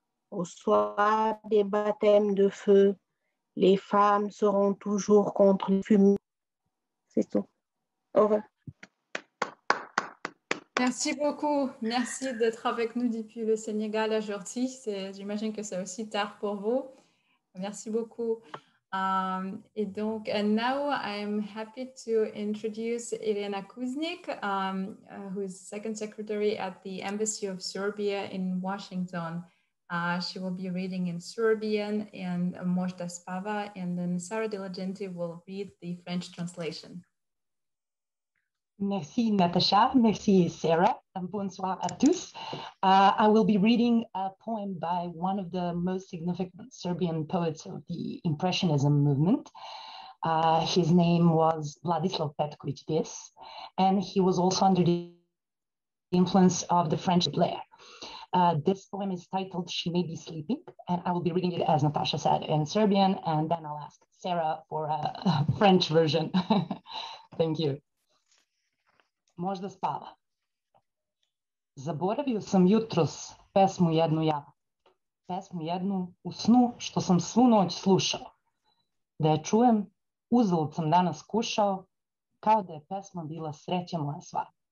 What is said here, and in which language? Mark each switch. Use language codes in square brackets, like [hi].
[fr] Au soir des baptêmes de feu, les femmes seront toujours contre les fumées. C'est tout. Au revoir. Merci beaucoup. Merci d'être avec nous depuis le Sénégal aujourd'hui. J'imagine que c'est aussi tard pour vous. Merci beaucoup. [en] And now I'm happy to introduce Irena Kuznick, who is second secretary at the Embassy of Serbia in Washington. She will be reading in Serbian and Možda Spava, and then Sara Diligenti will read the French translation. [fr] Merci, Natacha. Merci, Sarah. Bonsoir à tous. [en] I will be reading a poem by one of the most significant Serbian poets of the Impressionism movement. His name was Vladislav Petković Vis, and he was also under the influence of the French Blair. This poem is titled She May Be Sleeping, and I will be reading it, as Natacha said, in Serbian, and then I'll ask Sarah for a French version. Thank you. [sr] Možda spava. Zaboravio sam jutros pesmu jednu ja. Pesmu jednu u snu što sam svu noć slušao. Da je čujem, uzalud sam danas kušao, kao da je pesma bila sreća moja sva.